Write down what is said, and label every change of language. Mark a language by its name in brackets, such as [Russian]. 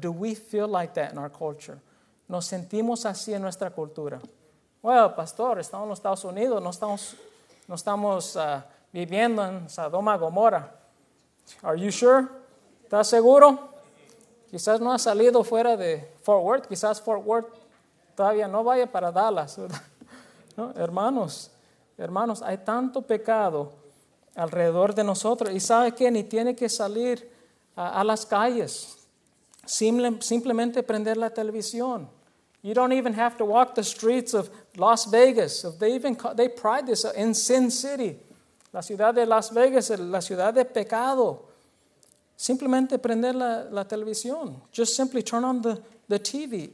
[English] Do we feel like that in our culture? [Spanish] ¿Nos sentimos así en nuestra cultura? Bueno, well, pastor, estamos en los Estados Unidos, no estamos viviendo en Sodoma y Gomorra. [English] Are you sure? [Spanish] ¿Estás seguro? Quizás no ha salido fuera de Fort Worth. Quizás Fort Worth todavía no vaya para Dallas. No, hermanos, hay tanto pecado alrededor de nosotros. ¿Y sabe qué? Ni tiene que salir a las calles. Simplemente prender la televisión. [English] You don't even have to walk the streets of Las Vegas. They pride this in Sin City. [Spanish] La ciudad de Las Vegas, la ciudad de pecado. Simplemente prender la televisión. [English] Just simply turn on the TV.